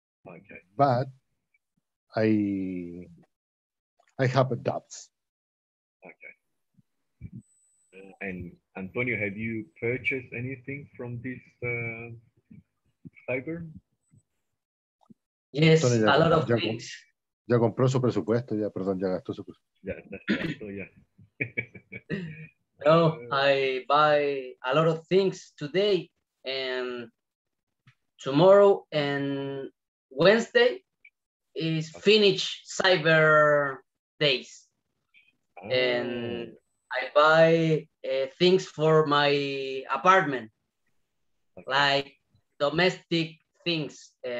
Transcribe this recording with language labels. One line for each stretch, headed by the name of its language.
English: Okay. But I have doubts. Okay. And Antonio, have you purchased anything from this Cyber? Yes, Antonio, a lot of things.
Spanish: Ya compró su presupuesto, ya, perdón, ya gastó su presupuesto.
English: No, I buy a lot of things today and tomorrow and Wednesday is finished Cyber Days. And I buy things for my apartment, like domestic things.